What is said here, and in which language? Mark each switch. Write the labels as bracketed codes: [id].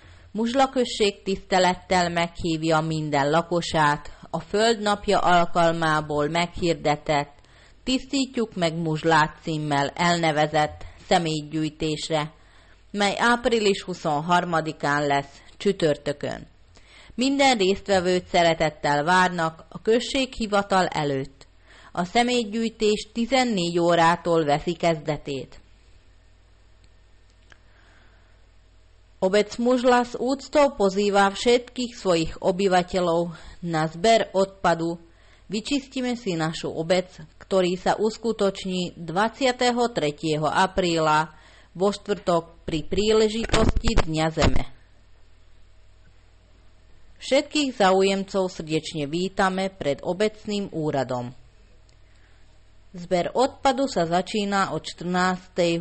[hu] Muzslakösség tisztelettel meghívja minden lakosát, a Föld napja alkalmából meghirdetett, tisztítjuk meg Muzslát címmel elnevezett személygyűjtésre, mely április 23-án lesz, csütörtökön. Minden résztvevőt szeretettel várnak a községhivatal előtt. A személygyűjtés 14 órától veszi kezdetét. [sk] Obec Muzsla s úctou pozývá všetkých svojich obyvateľov na zber odpadu. Vyčistíme si našu obec, ktorý sa uskutoční 23. apríla vo štvrtok pri príležitosti Dňa Zeme. Všetkých zaujemcov srdečne vítame pred obecným úradom. Zber odpadu sa začína od 14.